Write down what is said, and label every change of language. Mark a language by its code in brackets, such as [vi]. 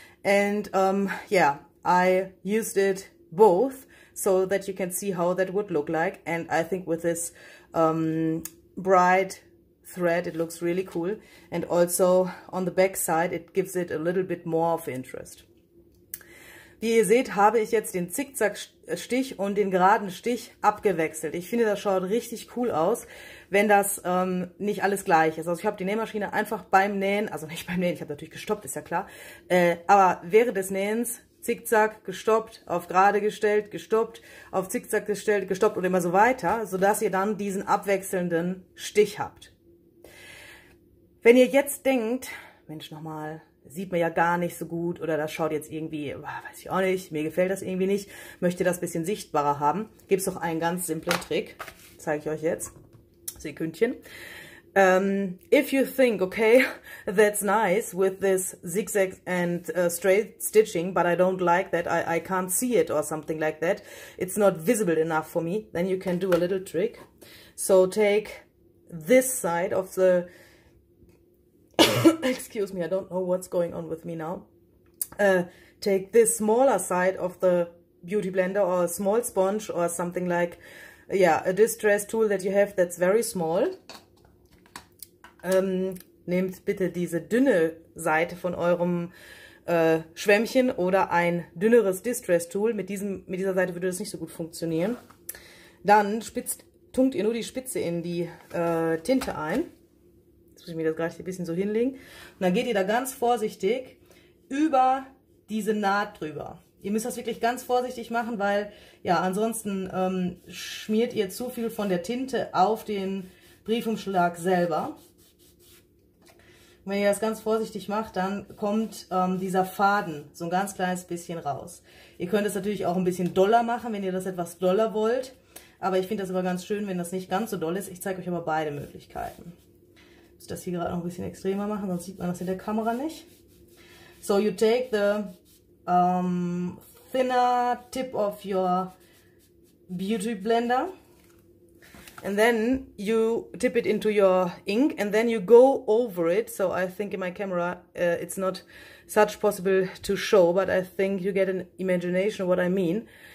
[en] And yeah, I used it both so that you can see how that would look like. And I think with this bright thread, it looks really cool. And also on the back side, it gives it a little bit more of interest. [de] Wie ihr seht, habe ich jetzt den Zickzackstich und den geraden Stich abgewechselt. Ich finde, das schaut richtig cool aus, wenn das nicht alles gleich ist. Also ich habe die Nähmaschine einfach beim Nähen, also nicht beim Nähen, ich habe natürlich gestoppt, ist ja klar, aber während des Nähens Zickzack gestoppt, auf gerade gestellt, gestoppt, auf Zickzack gestellt, gestoppt und immer so weiter, sodass ihr dann diesen abwechselnden Stich habt. Wenn ihr jetzt denkt, Mensch, nochmal, sieht man ja gar nicht so gut oder das schaut jetzt irgendwie, weiß ich auch nicht, mir gefällt das irgendwie nicht, möchte das ein bisschen sichtbarer haben, gibt es doch einen ganz simplen Trick, zeige ich euch jetzt, Sekündchen. [en] If you think, okay, that's nice with this zigzag and straight stitching, but I don't like that, I can't see it or something like that, it's not visible enough for me, then you can do a little trick. So take this side of the, excuse me, I don't know what's going on with me now. Take this smaller side of the beauty blender or a small sponge or something like, yeah, a distress tool that you have that's very small. [de] Nehmt bitte diese dünne Seite von eurem Schwämmchen oder ein dünneres Distress-Tool. Mit dieser Seite würde das nicht so gut funktionieren. Dann tunkt ihr nur die Spitze in die Tinte ein. Jetzt muss ich mir das gerade ein bisschen so hinlegen. Und dann geht ihr da ganz vorsichtig über diese Naht drüber. Ihr müsst das wirklich ganz vorsichtig machen, weil ja ansonsten schmiert ihr zu viel von der Tinte auf den Briefumschlag selber. Wenn ihr das ganz vorsichtig macht, dann kommt dieser Faden so ein ganz kleines bisschen raus. Ihr könnt es natürlich auch ein bisschen doller machen, wenn ihr das etwas doller wollt. Aber ich finde das aber ganz schön, wenn das nicht ganz so doll ist. Ich zeige euch aber beide Möglichkeiten. Ich muss das hier gerade noch ein bisschen extremer machen, sonst sieht man das in der Kamera nicht. [en] So, you take the thinner tip of your beauty blender. And then you tip it into your ink and then you go over it. So I think in my camera it's not such possible to show, but I think you get an imagination of what I mean.